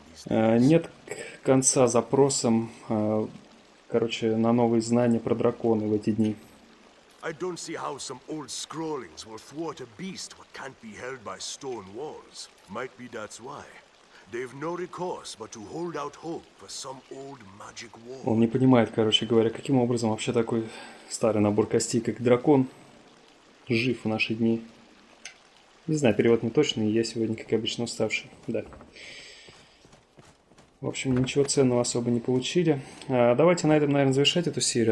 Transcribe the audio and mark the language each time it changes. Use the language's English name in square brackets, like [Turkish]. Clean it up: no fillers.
[Russian] Нет к конца запросам, короче, на новые знания про драконы в эти дни. [English] I don't see how some old scrawlings will thwart a beast what can't be held by stone walls. Might be that's why. They've no recourse but to hold out hope for some old magic war. [Russian] Он не понимает, короче говоря, каким образом вообще такой старый набор костей, как дракон, жив в наши дни. Не знаю, перевод не точный, я сегодня, как обычно, уставший. Да. В общем, ничего ценного особо не получили. Давайте на этом, наверное, завершать эту серию.